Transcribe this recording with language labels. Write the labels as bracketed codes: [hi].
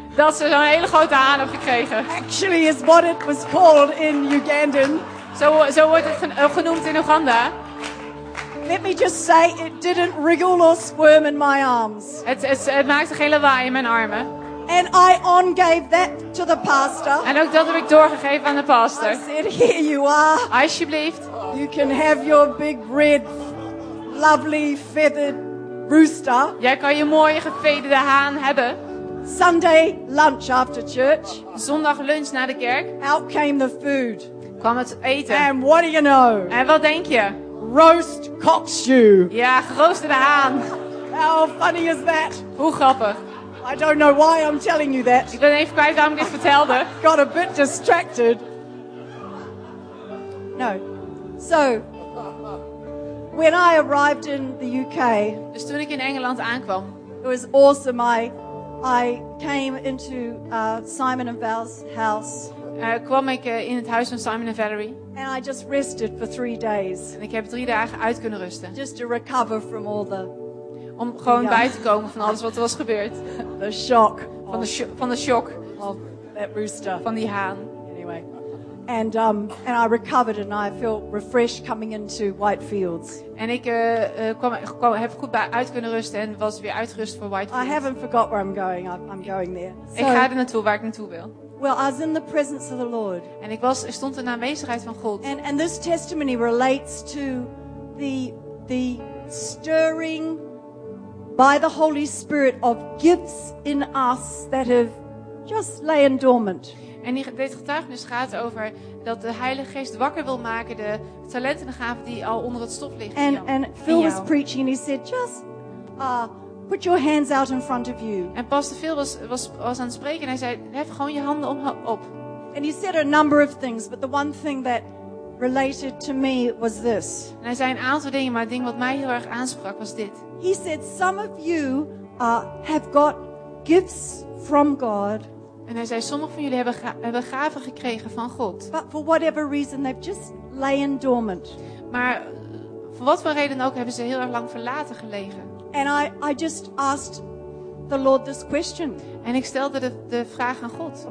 [nl] Dat ze zo'n hele grote haan hebben gekregen. [en] Actually is what it was called in Ugandan. [nl] Zo wordt het genoemd in Oeganda. [en] Let me just say, it didn't wriggle or squirm in my arms. [nl] Het maakte geen lawaai in mijn armen. [en] And I on gave that to the pastor. [nl] En ook dat heb ik doorgegeven aan de pastor. [en] I said, here you are. [nl] Alsjeblieft. [en] You can have your big red, lovely feathered rooster. [nl] Jij kan je mooie gevederde haan hebben. [en] Sunday lunch after church. [nl] Zondag lunch na de kerk. [en] Out came the food. [nl] Kwam het eten. [en] And what do you know? [nl] En wat denk je? [en] Roast cock stew. [nl] Ja, geroosterde haan. [en] How funny is that? [nl] Hoe grappig. [en] I don't know why I'm telling you that. [nl] Ik ben even kwijt waarom ik dit vertelde. [en] Got a bit distracted. No. So, when I arrived in the UK. [nl] Dus toen ik in Engeland aankwam. [en] It was awesome. I came into Simon and Val's house. [nl] Kwam ik in het huis van Simon en Valerie. [en] And I just rested for 3 days. [nl] En ik heb 3 dagen uit kunnen rusten. [en] Just to recover from all the... [nl] Om gewoon bij te komen van alles wat er was gebeurd. [en] The shock. [nl] Van de shock. [en] Of that rooster. [nl] Van die haan. [en] Anyway. And I recovered and I felt refreshed coming into Whitefields. [nl] En ik heb goed uit kunnen rusten en was weer uitgerust voor Whitefields. [en] I haven't forgot where I'm going. I'm going there. [nl] So, ik ga er naartoe waar ik naartoe wil. [en] Well, I was in the presence of the Lord. [nl] En ik stond in de aanwezigheid van God. [en] And this testimony relates to the stirring by the Holy Spirit of gifts in us that have just lain dormant. [nl] En dit getuigenis gaat over dat de Heilige Geest wakker wil maken de talenten en gaven die al onder het stof liggen. [en] And Phil was preaching and he said just put your hands out in front of you. [nl] En Pastor Phil was aan het spreken en hij zei hef gewoon je handen op. [en] And he said a number of things, but the one thing that related to me was this. [nl] En hij zei een aantal dingen, maar het ding wat mij heel erg aansprak was dit. [en] He said, some of you have got gifts from God [nl] En hij zei, sommigen van jullie hebben gaven gekregen van God. [en] But for whatever reason, they've just lain dormant. [nl] Maar voor wat voor reden ook hebben ze heel erg lang verlaten gelegen. [en] And I just asked the Lord this question. [nl] En ik stelde de vraag aan God.